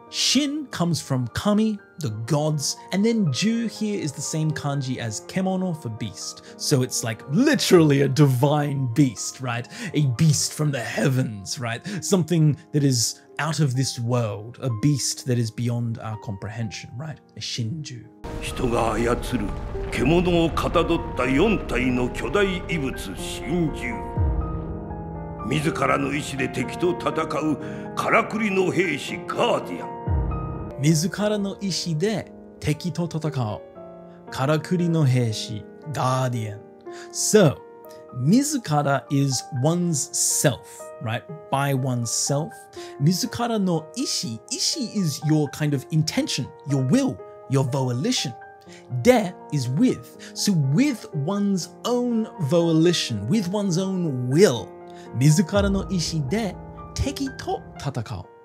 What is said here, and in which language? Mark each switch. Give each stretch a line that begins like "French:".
English: Shin comes from kami, the gods, and then ju here is the same kanji as kemono for beast. So it's like literally a divine beast, right? A beast from the heavens, right? Something that is out of this world, a beast that is beyond our comprehension, right? A shinju.
Japanese: 人が操る獣をかたどった四体の巨大異物神獣。自らの意志で敵と戦うからくりの兵士ガーディアン。自らの意志で敵と戦うからくりの兵士ガーディアン。
English: So, 自ら is one's self, right? By one's self.
Japanese: 自らの意志、
English: 意志 is your kind of intention, your will. Your volition. De is with. So with one's own volition, with one's own will.
Japanese: 自らの意志で敵と戦う。